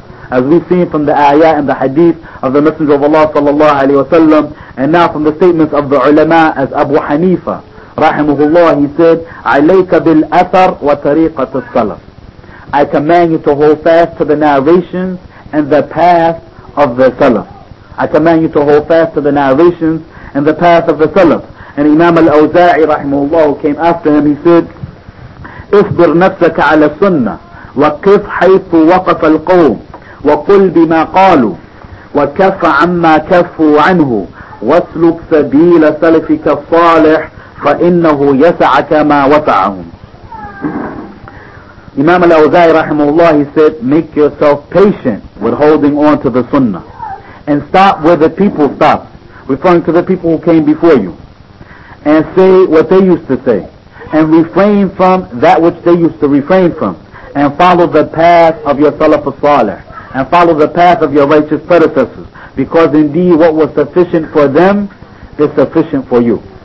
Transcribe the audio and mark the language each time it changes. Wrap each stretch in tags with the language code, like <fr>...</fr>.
<en>As we've seen from the ayah and the hadith of the Messenger of Allah sallallahu alayhi wasallam, and now from the statements of the ulama, as Abu Hanifa rahimahullah, he said,</en> <ar>عَلَيْكَ بِالْأَثَرْ وَطَرِيقَةَ السَّلَفِ.</ar> <en>I command you to hold fast to the narrations and the path of the Salaf. I command you to hold fast to the narrations and the path of the Salaf. And Imam al-Awza'i rahimahullah, who came after him, he said,</en> <ar>اِصْبِرْ نَفْسَكَ عَلَى السُنَّةِ وَقِفْ حَيْثُ وَقَفَ الْقَوْمِ وَقُلْ بِمَا قَالُوا وَكَفَ عَمَّا كَفُوا عَنْهُ وَاسْلُكْ سَبِيلَ سَلَفِكَ الصَّالِحِ فَإِنَّهُ يَسَعَكَ مَا وَسَعَهُمْ.</ar> <en>Imam al-Awza'i rahimahullah, he said, make yourself patient with holding on to the sunnah, and stop where the people stop, referring to the people who came before you, and say what they used to say, and refrain from that which they used to refrain from, and follow the path of your Salaf al-Saleh, and follow the path of your righteous predecessors, because indeed what was sufficient for them is sufficient for you.</en>